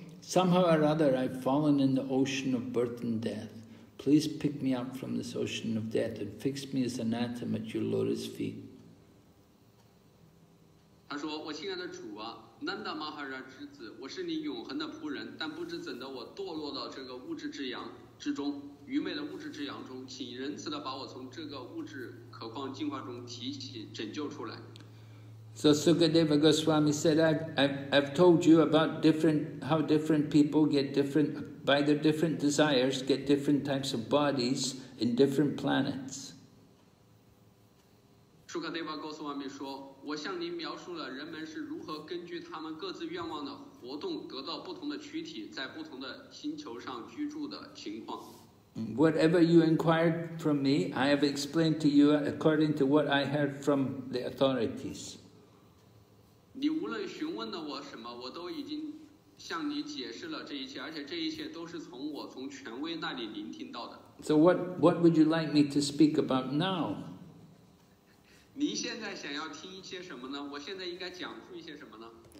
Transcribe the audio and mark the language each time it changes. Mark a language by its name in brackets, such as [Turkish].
[English] Somehow or other, I've fallen in the ocean of birth and death. Please pick me up from this ocean of death and fix me as an atom at your lotus feet. [Chinese] 他说：“我亲爱的主啊，Nanda Maharaj之子，我是你永恒的仆人，但不知怎的，我堕落到这个物质之阳之中，愚昧的物质之阳中，请仁慈的把我从这个物质渴望净化中提起，拯救出来。 [English] So Sukadeva Goswami said, I've told you about different, how different people get different, by their different desires, get different types of bodies in different planets. [Chinese] Sukadeva Goswami 说, 我向您描述了人们是如何根据他们各自愿望的活动得到不同的躯体, 在不同的星球上居住的情况。 [English] Whatever you inquired from me, I have explained to you according to what I heard from the authorities. [Chinese] 你无论询问了我什么, 我都已经向你解释了这一切, 而且这一切都是从我, 从权威那里聆听到的。 [English] So what would you like me to speak about now? [Chinese] 您现在想要听一些什么呢?我现在应该讲述一些什么呢?